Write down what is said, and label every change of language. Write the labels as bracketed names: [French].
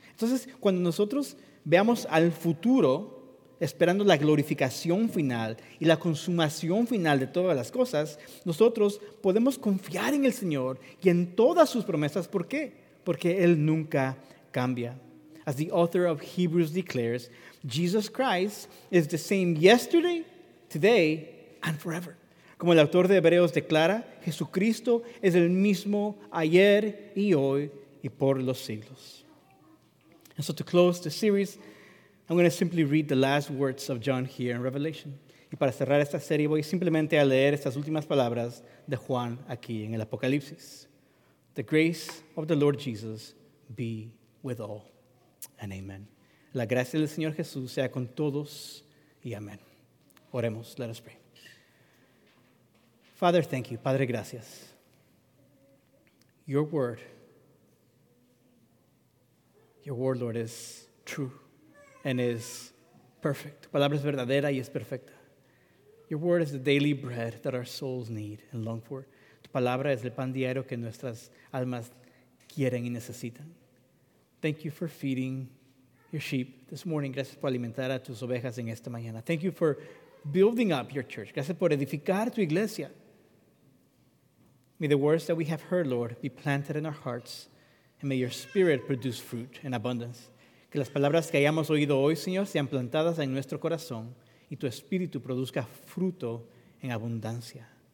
[Spanish] Entonces, cuando nosotros veamos al futuro, esperando la glorificación final y la consumación final de todas las cosas, nosotros podemos confiar en el Señor y en todas sus promesas. ¿Por qué? Porque Él nunca cambia. [English] As the author of Hebrews declares, Jesus Christ is the same yesterday, today, and forever. [Spanish] Como el autor de Hebreos declara, Jesucristo es el mismo ayer y hoy y por los siglos. [English] And so to close the series, I'm going to simply read the last words of John here in Revelation. [Spanish] Y para cerrar esta serie, voy simplemente a leer estas últimas palabras de Juan aquí en el Apocalipsis. [English] The grace of the Lord Jesus be with all. And amen. [Spanish] La gracia del Señor Jesús sea con todos y amén. Oremos. [English] Let us pray. Father, thank you. [Spanish] Padre, gracias. [English] Your word, Lord, is true and is perfect. [Spanish] Tu palabra es verdadera y es perfecta. [English] Your word is the daily bread that our souls need and long for. [Spanish] Tu palabra es el pan diario que nuestras almas quieren y necesitan. [English] Thank you for feeding your sheep this morning. [Spanish] Gracias por alimentar a tus ovejas en esta mañana. [English] Thank you for building up your church. [Spanish] Gracias por edificar tu iglesia. [English] May the words that we have heard, Lord, be planted in our hearts. And may your spirit produce fruit in abundance. [Spanish] Que las palabras que hayamos oído hoy, Señor, sean plantadas en nuestro corazón y tu espíritu produzca fruto en abundancia.